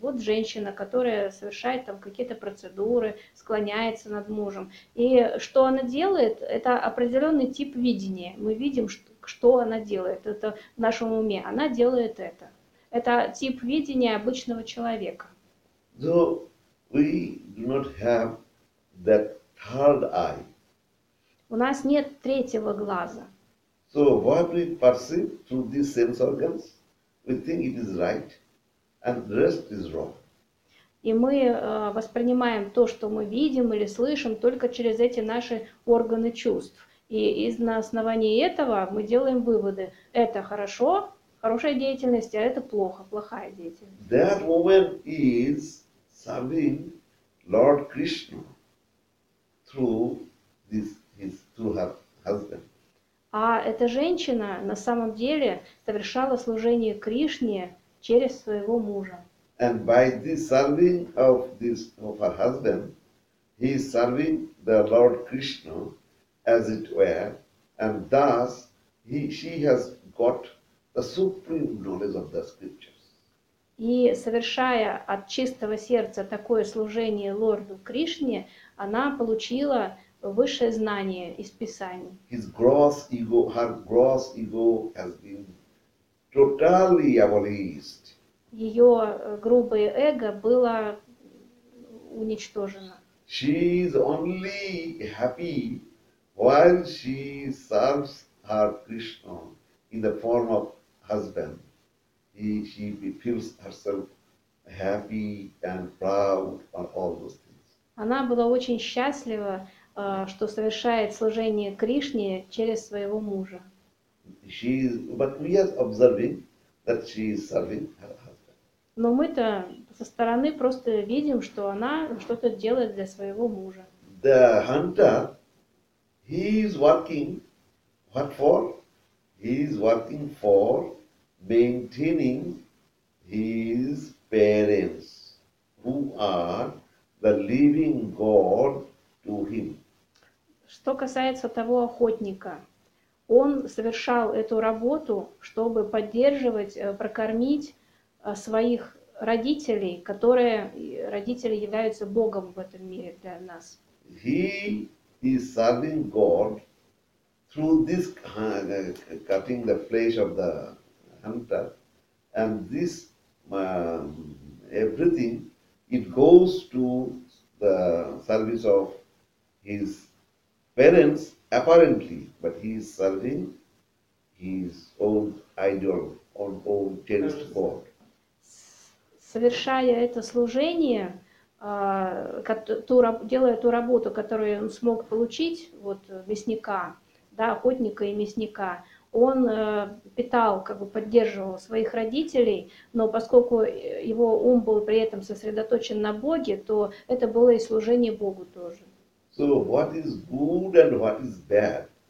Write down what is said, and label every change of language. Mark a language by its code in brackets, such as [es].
[ru] Вот женщина, которая совершает там какие-то процедуры, склоняется над мужем. И что она делает, это определенный тип видения. Мы видим, что она делает. Это в нашем уме. Она делает это. Это тип видения обычного человека. [en] So we do not have that third eye. [ru] У нас нет третьего глаза. [en] So what we perceive through these sense organs? We think it is right, and the rest is wrong. [ru] И мы воспринимаем то, что мы видим или слышим, только через эти наши органы чувств. И из на основании этого мы делаем выводы. Это хорошо, хорошая деятельность, а это плохо, плохая деятельность. [en] That woman is serving Lord Krishna through through her husband. [ru] А эта женщина на самом деле совершала служение Кришне через своего мужа. [en] And by this serving of this of her husband, he is serving the Lord Krishna, as it were, and thus she has got the supreme knowledge of the scriptures. [ru] И совершая от чистого сердца такое служение Лорду Кришне, она получила высшее знание из Писаний. [en] His gross ego, her gross ego has been totally abolished. [ru] Ее грубое эго было уничтожено. [en] She is only happy while she serves her Krishna in the form of husband. She feels herself happy and proud on all those things. [ru] Она была очень счастлива, что совершает служение Кришне через своего мужа. [en] She is, but we are observing that she is serving her husband. [ru] Но мы-то со стороны просто видим, что она что-то делает для своего мужа. [en] The hunter, he is working, what for? He is working for maintaining his parents, who are the living God to him. [ru] Что касается того охотника, он совершал эту работу, чтобы поддерживать, прокормить своих родителей, которые родители являются Богом в этом мире для нас. [en] He is serving God through this cutting the flesh of the hunter, and this everything it goes to the service of his parents apparently, but he is serving his own idol, or own cherished God. [ru] Совершая это служение, делая ту работу, которую он смог получить, вот мясника, да, охотника и мясника, он питал, как бы поддерживал своих родителей, но поскольку его ум был при этом сосредоточен на Боге, то это было и служение Богу тоже. [en] So what is good and what is bad?